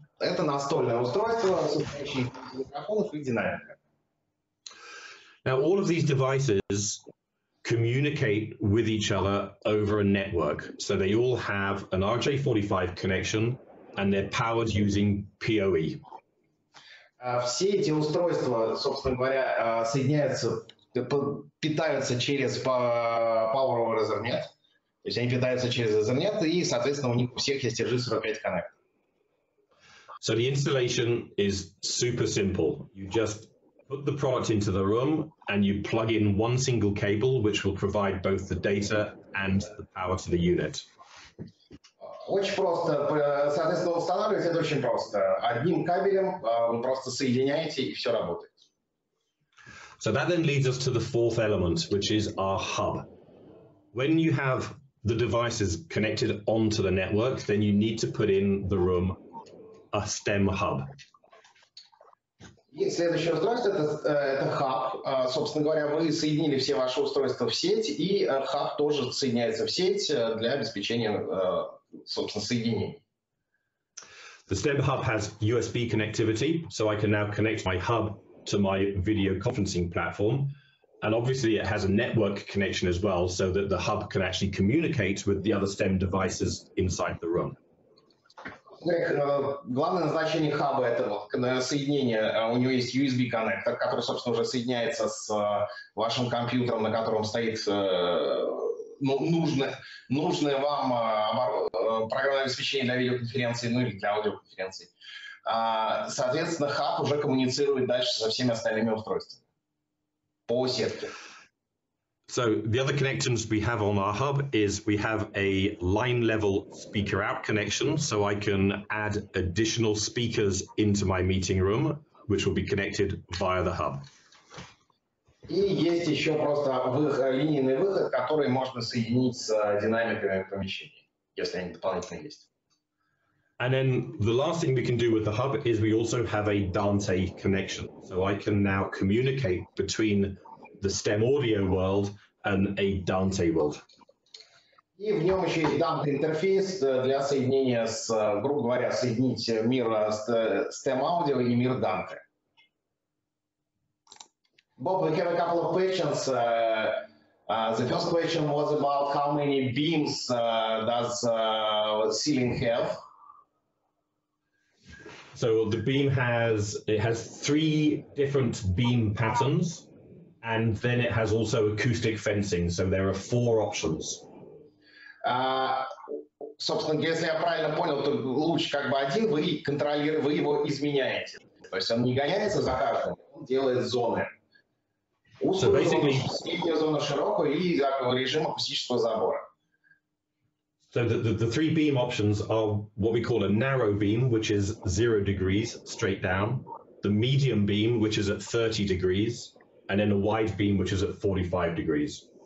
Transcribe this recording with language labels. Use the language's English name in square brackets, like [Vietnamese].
[Russian] Это настольное устройство, состоящее из микрофонов и динамика. [English] Now, all of these devices communicate with each other over a network. So they all have an RJ45 connection and they're powered using PoE. [Russian] Все эти устройства, собственно говоря, соединяются, питаются через Power over Ethernet. То есть они питаются через Ethernet, и, соответственно, у них у всех есть RJ45 connect. [English] So the installation is super simple. You just put the product into the room and you plug in one single cable, which will provide both the data and the power to the unit. [Russian] Очень просто, соответственно, устанавливать это очень просто. Одним кабелем вы просто соединяете, и все работает. [English] So that then leads us to the fourth element, which is our hub. When you have the devices connected onto the network, then you need to put in the room a STEM hub. [Russian] И следующее устройство это хаб. Собственно говоря, вы соединили все ваши устройства в сеть, и хаб тоже соединяется в сеть для обеспечения, собственно, соединений. [English] The STEM hub has USB connectivity, so I can now connect my hub to my video conferencing platform. And obviously it has a network connection as well, so that the hub can actually communicate with the other STEM devices inside the room. [Russian] Главное назначение хаба – это соединение. У него есть USB коннектор, который, собственно, уже соединяется с вашим компьютером, на котором стоит нужное вам программное обеспечение для видеоконференции, ну или для аудиоконференции. Соответственно, хаб уже коммуницирует дальше со всеми остальными устройствами. [English] So the other connections we have on our hub is we have a line level speaker out connection, so I can add additional speakers into my meeting room, which will be connected via the hub. [Russian] И есть еще просто линейный выход, который можно соединить с динамиками помещения, если они дополнительно есть. [English] And then the last thing we can do with the hub is we also have a Dante connection, so I can now communicate between the STEM audio world and a Dante world. [Russian] И в нем еще есть Dante интерфейс для соединения с, грубо говоря, соединить мир STEM audio и мир Dante. [English] Bob, we have a couple of questions. The first question was about how many beams does ceiling have? So the beam has 3 different beam patterns. And then it has also acoustic fencing, so there are 4 options. [Russian] Собственно, если я правильно понял, то луч как бы один, вы его изменяете. То есть он не гоняется за каждым, он делает зоны. Средняя зона широкая и режим акустического забора. [English] So the 3 beam options are what we call a narrow beam, which is 0 degrees straight down. The medium beam, which is at 30 degrees. And then a wide beam, which is at 45 degrees.